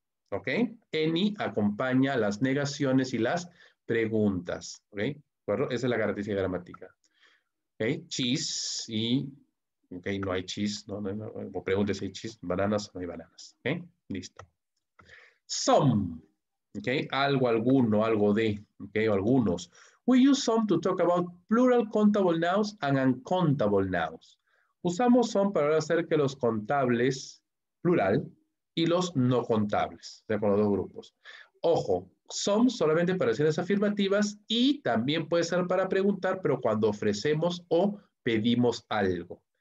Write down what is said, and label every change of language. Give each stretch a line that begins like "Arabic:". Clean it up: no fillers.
Spanish: Ok. Any acompaña las negaciones y las preguntas. Ok. ¿De acuerdo? Esa es la característica gramática. Ok. Cheese y. Ok, no hay cheese, no, no, no, no. O pregunte si hay cheese, bananas, no hay bananas. Ok, listo. Some, ok, algo, alguno, algo de, ok, o algunos.
English: We use some to talk about plural countable nouns and uncountable nouns.
Spanish: Usamos some para hacer que los contables, plural, y los no contables, de acuerdo a los dos grupos. Ojo, some solamente para acciones afirmativas y también puede ser para preguntar, pero cuando ofrecemos o pedimos algo.